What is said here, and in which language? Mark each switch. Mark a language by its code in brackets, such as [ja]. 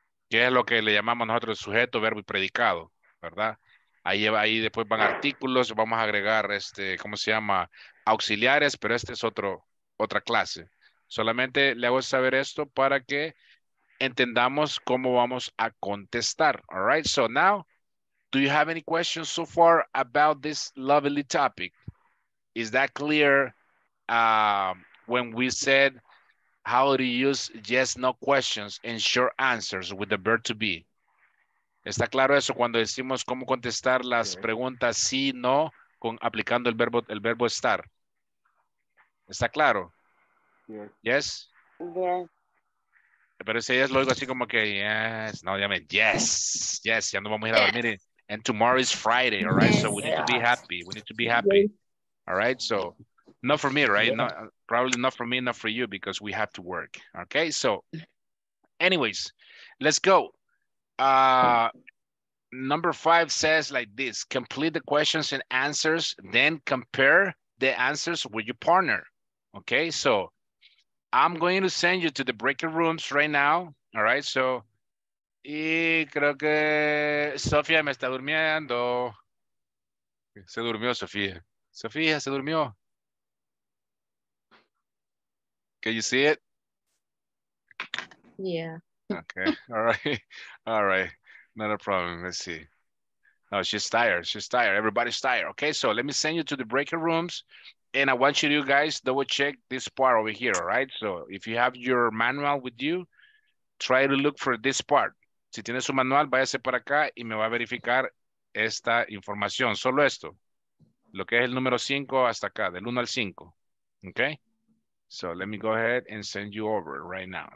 [es] Que es lo que le llamamos nosotros sujeto, verbo y predicado, ¿verdad? Ahí después van artículos, vamos a agregar, ¿cómo se llama? Auxiliares, pero este es otra clase. Solamente le hago saber esto para que entendamos cómo vamos a contestar. [en] All right, so now, do you have any questions so far about this lovely topic? Is that clear when we said how to use yes, no questions and short answers with the verb to be? [es] ¿Está claro eso cuando decimos cómo contestar las preguntas sí, no, con aplicando el verbo estar? ¿Está claro? [en] Yes. Yes. Yes. [es] Pero ese yes lo digo así como que yes, no, llame yes, yes, ya no vamos a ir a dormir. [en] And tomorrow is Friday, all right? Yes, so we need to be happy. We need to be happy. Yes. All right? So not for me, right? Yes. No, probably not for me, not for you, because we have to work. Okay? So anyways, let's go. Number five says like this, complete the questions and answers, then compare the answers with your partner. Okay? So I'm going to send you to the breakout rooms right now. All right? [es] So y creo que Sofía me está durmiendo. Se durmió Sofía. Sofía se durmió. [en] Can you see it? Yeah. Okay. All right. Not a problem. Let's see. No, she's tired. Everybody's tired. Okay. So let me send you to the breakout rooms. And I want you guys double check this part over here. All right. So if you have your manual with you, try to look for this part. [es] Si tiene su manual, váyase para acá y me va a verificar esta información. Solo esto. Lo que es el número 5 hasta acá, del 1 al 5. [en] Okay. So let me go ahead and send you over right now.